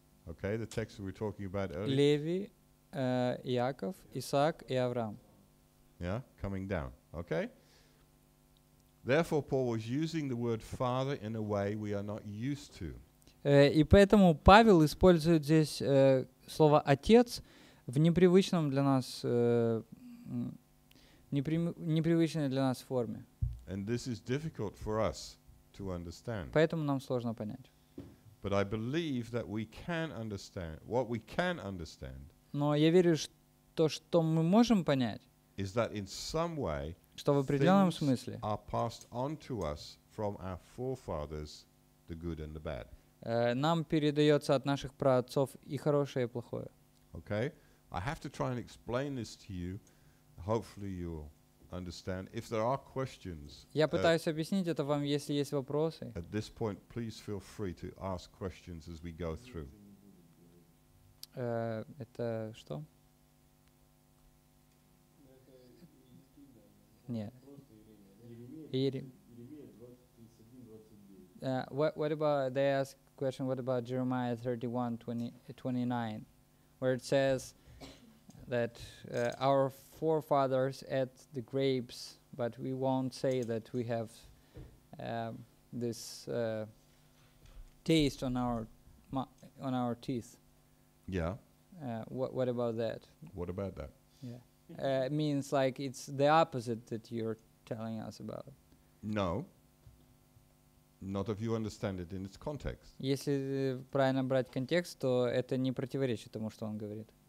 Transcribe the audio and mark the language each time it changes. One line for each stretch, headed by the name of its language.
English: Okay, the text we were talking about earlier.
Russian: Леви, Яков, Исаак и Авраам.
English: Yeah, coming down. Okay. Therefore, Paul was using the word father in a way we are not used to.
Russian: И поэтому Павел использует здесь слово отец в непривычном для нас непривычной для нас форме.
English: And this is difficult for us to understand.
Russian: Поэтому нам сложно понять.
English: But I believe that we can understand what we can understand.
Russian: Но я верю, что что мы можем понять.
English: Is that in some way?
Russian: Что в определенном смысле.
English: Are passed on to us from our forefathers, the good and the bad.
Russian: Нам передается от наших праотцов и хорошее, и плохое.
English: Okay, I have to try and explain this to you. Hopefully you'll understand. If there are questions,
Russian: я пытаюсь объяснить это вам, если есть вопросы.
English: At this point, please feel free to ask questions as we go through.
Russian: Это что? Нет.
English: What about they ask question? What about Jeremiah 31:29, where it says that our forefathers ate the grapes But we won't say that we have this taste on our teeth. Yeah. What about that? What about that? Yeah. It means like it's the opposite that you're telling us about. No. Not if you understand it in its context.
Russian: Если правильно брать контекст, то это не противоречит тому, что он говорит.